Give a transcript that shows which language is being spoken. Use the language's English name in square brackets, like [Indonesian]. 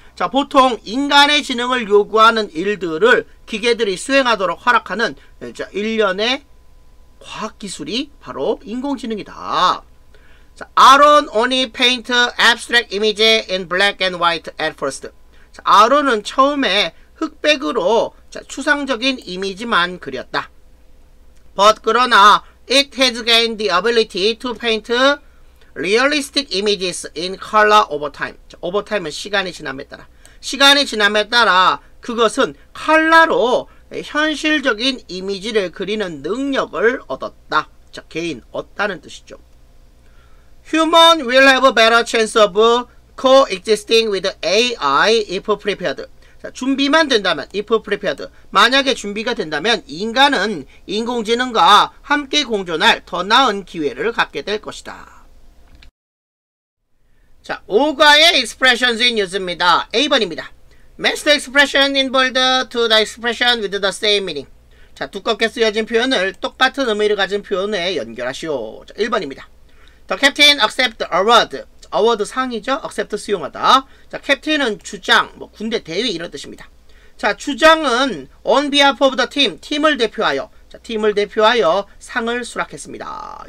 [Korean] 자, 보통 인간의 지능을 요구하는 일들을 기계들이 수행하도록 허락하는 자, 일련의 과학기술이 바로 인공지능이다. [English] Aaron only paint abstract image in black and white at first. [Korean] 자, Aaron은 처음에 흑백으로 자, 추상적인 이미지만 그렸다. [English] But 그러나 it has gained the ability to paint realistic images in color over time. [Korean] 자, over time은 시간이 지남에 따라. 시간이 지남에 따라 그것은 컬러로 현실적인 이미지를 그리는 능력을 얻었다. 자, 개인 얻다는 뜻이죠. [English] Human will have a better chance of coexisting with AI if prepared. [Korean] 자, 준비만 된다면, [English] if prepared. [Korean] 만약에 준비가 된다면 인간은 인공지능과 함께 공존할 더 나은 기회를 갖게 될 것이다. 자, 5과의 expressions in use입니다. A번입니다. [English] Match the expression in bold to the expression with the same meaning. [Korean] 자, 두껍게 쓰여진 표현을 똑같은 의미를 가진 표현에 연결하시오. 자, 1번입니다. [English] The captain accept award. Award 상이죠. [Korean] Accept 수용하다. 자, captain은 주장, 뭐 군대 대위 이런 뜻입니다. 자, 주장은 [English] on behalf of the team, [Korean] 팀을 대표하여, 자, 팀을 대표하여 상을 수락했습니다.